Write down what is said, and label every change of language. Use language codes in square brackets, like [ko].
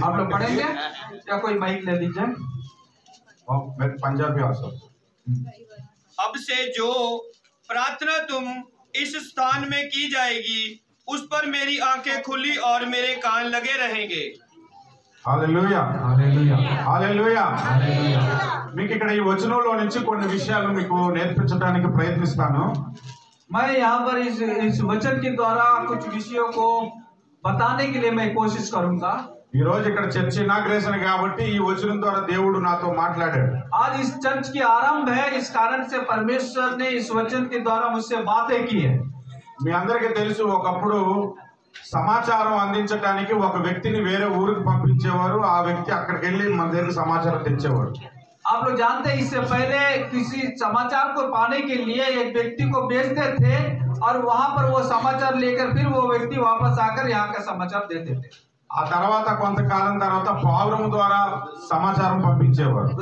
[hi] आप लोग पढ़ेंगे या कोई माइक ले लीजिए? मैं पंजाबी आ सकता। अब से जो प्रार्थना तुम इस स्थान में की जाएगी उस पर मेरी आंखें खुली और मेरे कान लगे रहेंगे। Hallelujah hallelujah hallelujah hallelujah. [te] మీకు ఇక్కడ ఈ వచనంలో నుంచి కొన్ని విషయాలు మీకు నేర్పించడానికి ప్రయత్నిస్తాను। [hi] मैं यहां पर इस वचन के द्वारा कुछ विषयों को बताने के लिए मैं कोशिश करूंगा। [te] ఈ రోజు ఇక్కడ చర్చ ఇనాగ్రేషన్ కాబట్టి ఈ వచనం ద్వారా దేవుడు నాతో మాట్లాడాడు। [hi] आज इस चर्च की आरंभ है इस कारण से परमेश्वर ने इस वचन के द्वारा मुझसे बातें की है। [te] మీ అందరికీ తెలుసు ఒకప్పుడు సమాచారం అందించడానికి ఒక వ్యక్తిని వేరే ఊరికి పంపించేవారు। ఆ వ్యక్తి అక్కడికి వెళ్లి మన దగ్గరికి సమాచారం తెచ్చేవారు। [hi] आप लोग जानते हैं इससे पहले किसी समाचार को पाने के लिए एक व्यक्ति को भेजते थे और वहां पर वो समाचार लेकर फिर वो व्यक्ति वापस आकर यहाँ का समाचार देते थे। [te] ఆ తర్వాత కొంతకాలం తర్వాత పౌలము ద్వారా సమాచారం పంపించేవారు।